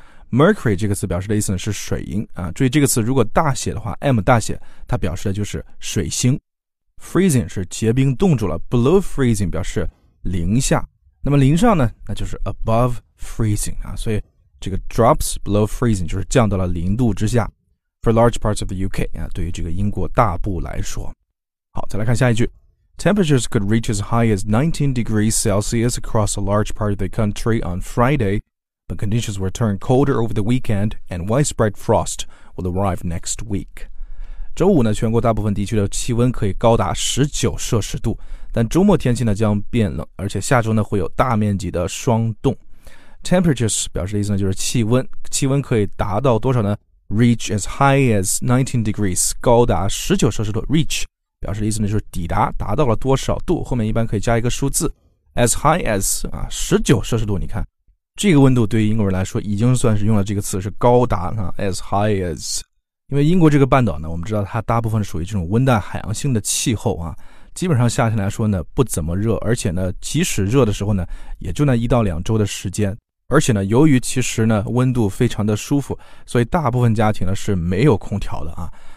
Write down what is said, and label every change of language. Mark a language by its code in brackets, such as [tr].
[zh] mercury 这个词表示的意思是水银啊，注意这个词如果大写的话 M 大写它表示的就是水星， freezing 是结冰冻住了， [en] below freezing [zh] 表示零下，那么零上呢那就是 [en] above freezing [zh] 啊，所以这个 [en] drops below freezing [zh] 就是降到了零度之下。 [en] for large parts of the UK 啊， [zh] 对于这个英国大部来说。 [en] 好，再来看下一句，Temperatures could reach as high as 19 degrees Celsius across a large part of the country on Friday, but conditions will turn colder over the weekend and widespread frost will arrive next week. [zh] 周五呢，全国大部分地区的气温可以高达19摄氏度，但周末天气呢将变冷，而且下周呢会有大面积的霜冻。 Temperatures 表示的意思呢就是气温，气温可以达到多少呢？ [en] Reach as high as 19 degrees， [zh] 高达19摄氏度， [en] reach。 [zh] 表示的意思呢就是抵达，达到了多少度，后面一般可以加一个数字 [en] as high as [zh] 啊， 19摄氏度，你看这个温度对于英国人来说已经算是用了这个词是高达啊， as high as， 因为英国这个半岛呢我们知道它大部分属于这种温带海洋性的气候啊，基本上夏天来说呢不怎么热，而且呢即使热的时候呢也就那一到两周的时间，而且呢由于其实呢温度非常的舒服，所以大部分家庭呢是没有空调的啊。